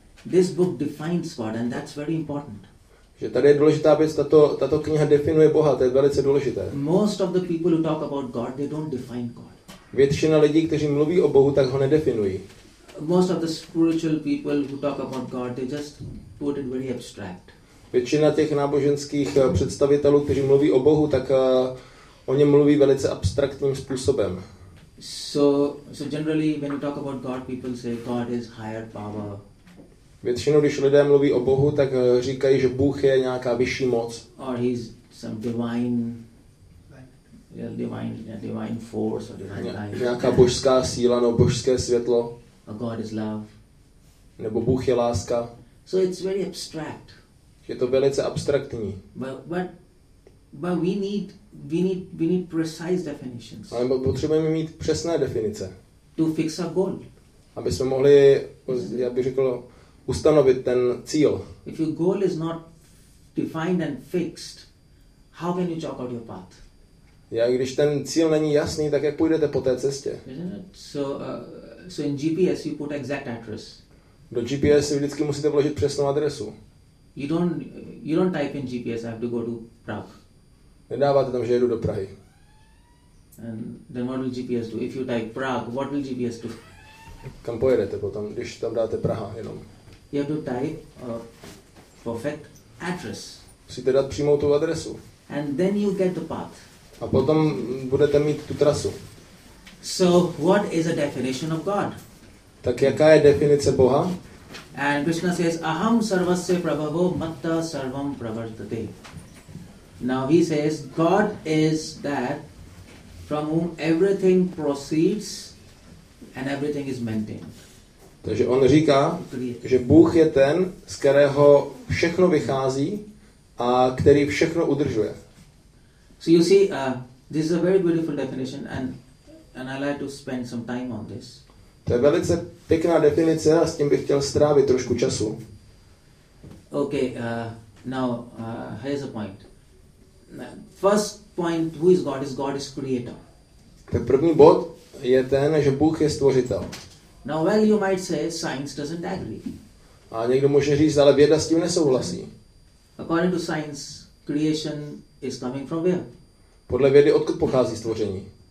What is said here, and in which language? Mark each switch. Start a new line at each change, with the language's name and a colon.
English: This book defines God, and that's very important.
Czech: Že tady je důležitá věc, tato kniha definuje Boha, to je velice důležité.
English: Most of the people who talk about God, they don't define God.
Czech: Většina lidí, kteří mluví o Bohu, tak ho nedefinují.
English: Most of the spiritual people who talk about God, they just put it very abstract.
Czech: Většina těch náboženských představitelů, kteří mluví o Bohu, tak o něm mluví velice abstraktním způsobem.
English: So generally when you talk about God, people say God is higher power.
Czech: Většinou, když lidé mluví o Bohu, tak říkají, že Bůh je nějaká vyšší moc.
English: Or he's some divine force or divine life.
Czech: Nějaká božská síla nebo božské světlo.
English: A God is love.
Czech: Nebo Bůh je láska.
English: So it's very abstract.
Czech: Je to velice abstraktní.
English: But we need precise definitions.
Czech: Ale potřebujeme mít přesné definice.
English: To fix a goal.
Czech: Aby jsme mohli, já bych řekl, ustanovit ten cíl.
English: If your goal is not defined and fixed, how can you chalk out your path?
Czech: Já, když ten cíl není jasný, tak jak půjdete po té cestě?
English: So in GPS you put exact address.
Czech: Do GPS vždycky musíte vložit přesnou adresu.
English: You don't type in GPS, I have to go to Prague.
Czech: Nedáváte tam, že jedu do Prahy.
English: And then what will GPS do? If you type Prague, what will GPS do?
Czech: Kam pojedete potom, když tam dáte Praha jenom?
English: You have to type a perfect address.
Czech: Musíte dát přímou tu adresu.
English: And then you get the path.
Czech: A potom budete mít tu trasu.
English: So what is a definition of God?
Czech: Tak jaká je definice Boha?
English: And Krishna says,
Sanskrit: "Aham sarvasya prabhavo matta sarvam pravartate."
English: Now he says, God is that from whom everything proceeds and everything is maintained.
Czech: Takže on říká, že Bůh je ten, z kterého všechno vychází a který všechno udržuje.
English: So you see, this is a very beautiful definition, and I'd like to spend some time on this.
Czech: To je velice pěkná definice a s tím bych chtěl strávit trošku času.
English: Okay, now here's a point. First point, who is God? God is creator.
Czech: Tak první bod je ten, že Bůh je stvořitel.
English: Now well, you might say science doesn't agree.
Czech: A někdo může říct, ale věda s tím nesouhlasí.
English: According to science, creation is coming from where?
Czech: Podle vědy, odkud pochází stvoření?